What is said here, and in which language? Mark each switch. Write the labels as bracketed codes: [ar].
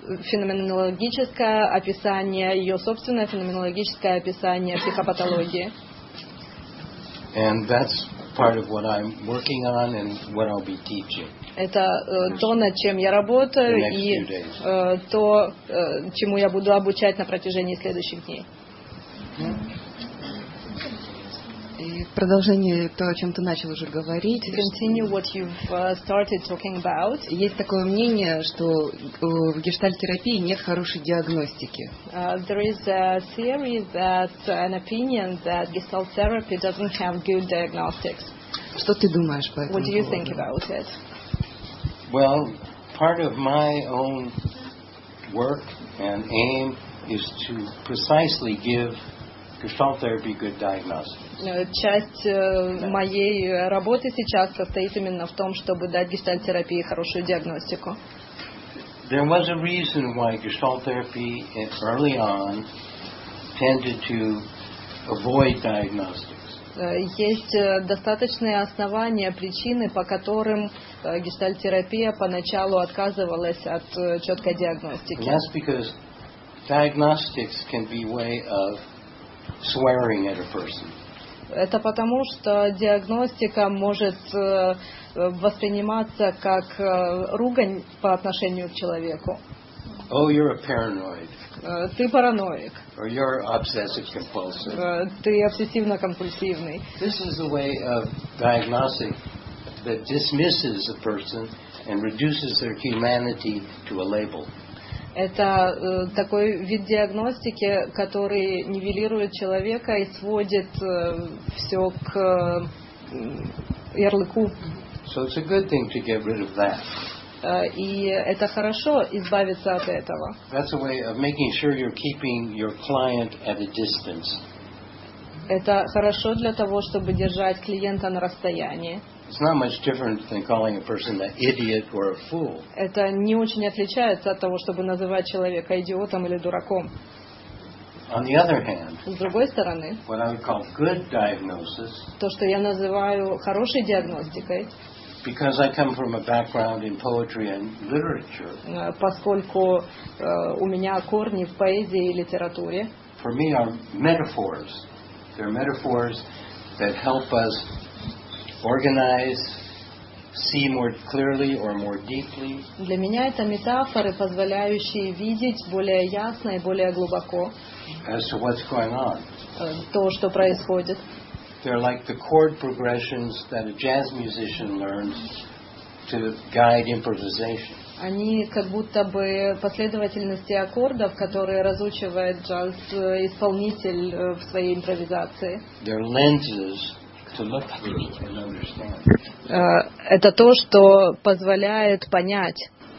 [ru] Феноменологическое описание, ее собственное феноменологическое описание психопатологии. [en] And that's part of what I'm working on and what I'll be teaching. [ru] Это то, над чем я работаю и то, чему я буду обучать на протяжении следующих дней. И в продолжение то, о чем ты начал уже говорить, [en] continue what you've started talking about. [ru] Есть такое мнение, что в гештальт-терапии нет хорошей диагностики. [en] There is a theory that an opinion that gestalt therapy doesn't have good diagnostics. [ru] Что ты думаешь по этому поводу? [en] What do you think about it? Well, part of my own work and aim is to precisely give gestalt therapy good diagnostics. [ru] Часть моей работы сейчас состоит именно в том, чтобы дать гештальт-терапии хорошую диагностику. [en] There was a reason why gestalt therapy early on tended to avoid diagnostics. [ru] Есть достаточные основания, причины, по которым гештальт-терапия поначалу отказывалась от четкой диагностики. [en] And that's because diagnostics can be way of swearing at a person. [ru] Это потому, что диагностика может восприниматься как ругань по отношению к человеку. [en] Oh, you're a paranoid. [ru] Ты параноик. [en] Or you're obsessive-compulsive. [ru] Ты обсессивно-компульсивный. [en] This is a way of diagnosis that dismisses a person and reduces their humanity to a label. [ru] Это такой вид диагностики, который нивелирует человека и сводит все к ярлыку. [en] So it's a good thing to get rid of that. [ru] И это хорошо избавиться от этого. [en] That's a way of making sure you're keeping your client at a distance. [ru] Это хорошо для того, чтобы держать клиента на расстоянии. [en] It's not much different than calling a person an idiot or a fool. [ru] Это не очень отличается от того, чтобы называть человека идиотом или дураком. [en] On the other hand, [ru] с другой стороны, [en] what I would call good diagnosis, [ru] то, что я называю хорошей диагностикой, [en] because I come from a background in poetry and literature, [ru] поскольку у меня корни в поэзии и литературе, [en] for me are metaphors. They're metaphors that help us organize, see more clearly or more deeply. [ru] Для меня это метафоры, позволяющие видеть более ясно и более глубоко. [en] As to what's going on. [ru] То, что происходит. [en] They're like the chord progressions that a jazz musician learns to guide improvisation. [ru] Они как будто бы последовательности аккордов, которые разучивает джаз-исполнитель в своей импровизации. [en] They're lenses. [ru] Это то, что позволяет понять.